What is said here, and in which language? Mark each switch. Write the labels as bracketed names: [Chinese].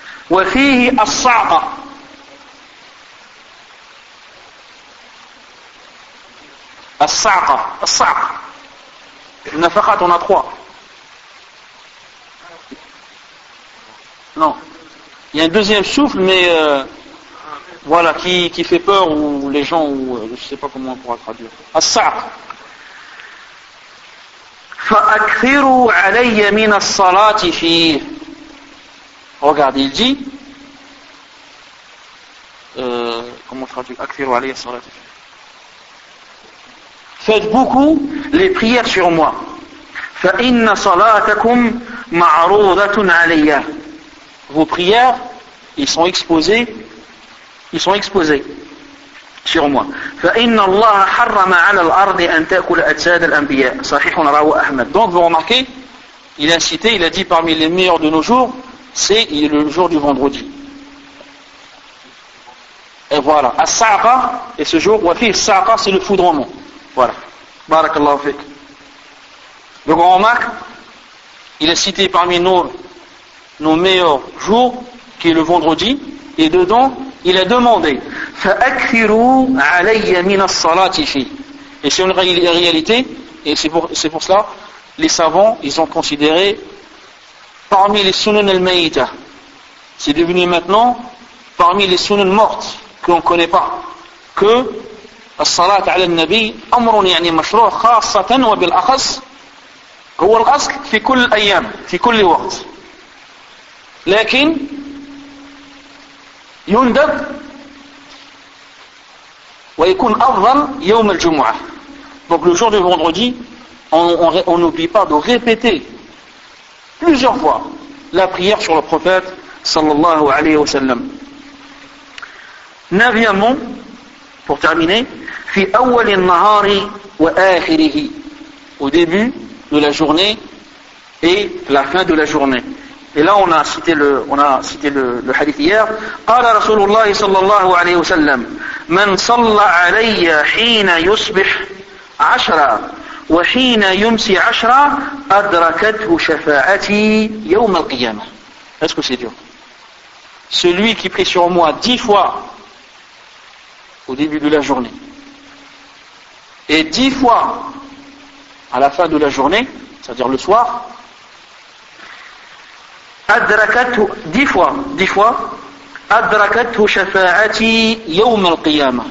[Arabic] Wa fihi as-sa'qa, الصعقة. النفقات هنا 3. [French] Non. Il y a un deuxième souffle, mais voilà, qui fait peur, ou les gens, ou je ne sais pas comment on pourra traduire. [Arabic] الصعق. فأكثروا علي من الصلاة فيه. [French] Regarde, il dit. Comment traduire? [Arabic] أكثروا علي الصلاة فيه. [French] faites beaucoup les prières sur moi. [Arabic] فَإِنَّ صَلَاتَكُمْ مَعْرُوضَةٌ عَلَيَّ. [French] Vos prières, ils sont exposés sur moi. [Arabic] فَإِنَّ اللَّهَ حَرَّمَ عَلَى الْأَرْضِ أَنْ تَأْكُلَ أَجْسَادَ الْأَنْبِيَاءِ صَحِحٌ رَوَى أَحْمَدُ. [French] Donc vous remarquez, il a cité, il a dit parmi les meilleurs de nos jours, c'est le jour du vendredi. Et voilà, As-Sa'qa est ce jour, [Arabic] wa fi As-Sa'qa, [French] c'est le foudrement. Voilà. [Arabic] Barakallahu fik. [French] Donc on remarque, il est cité parmi nos meilleurs jours, qui est le vendredi, et dedans, il a demandé, [Arabic] فَأَكْثِرُوا عَلَيَّ مِنَ الصَّلَاتِ فِي. [French] Et c'est une réalité, et c'est pour cela, les savants, ils ont considéré parmi les [Arabic] sunan al-mayita. [French] C'est devenu maintenant parmi les sunan mortes, qu'on ne connaît pas, que [Arabic] الصَّلَاتَ عَلَى النَّبِيِّ أَمْرٌ يَعْنِي مَشْرُوعَ خَاصَةً وَبِالْأَخَصِ هو القصد في كل الأيام في كل وقت لكن يندب ويكون أفضل يوم الجمعة. [French] Donc le jour du vendredi, on n'oublie pas de répéter plusieurs fois la prière sur le prophète sallallahu alayhi wa sallam. Neuvièmement, pour terminer, [Arabic] في أول النهار وآخره, [French] au début de la journée et la fin de la journée. Et là, on a cité le hadith hier. [Arabic] قال رسول الله صلى الله عليه وسلم من صلى علي حين يصبح عشرة وحين يمسي عشرة أدركته شفاعتي يوم القيامة. [French] Est-ce que c'est dur? Celui qui prie sur moi 10 fois au début de la journée et 10 fois à la fin de la journée, c'est-à-dire le soir, [Arabic] adrakatu 10 fois, adrakatu shafa'ati yawm al-qiyamah.